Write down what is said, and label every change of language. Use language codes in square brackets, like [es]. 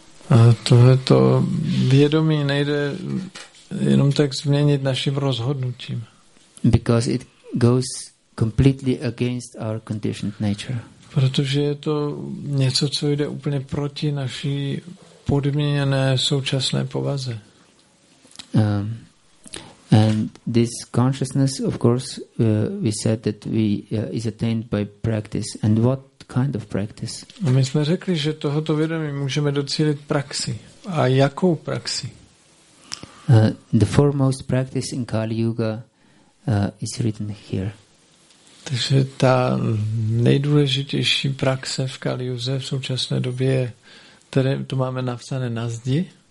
[cs] A tohleto vědomí nejde jenom tak změnit naším rozhodnutím. [en] Because it goes completely against our conditioned nature. [cs] Protože je to něco, co jde úplně proti naší podmíněné současné povaze. [en] And this consciousness, of course, we said that we is attained by practice. And what kind of practice? [cs] A my jsme řekli, že tohoto vědomí můžeme docílit praxi. A jakou praxi? [en] The foremost practice in Kali Yuga is written here. [cs] Takže ta nejdůležitější praxe v Kali Yuze v současné době, které to máme napsané na zdi.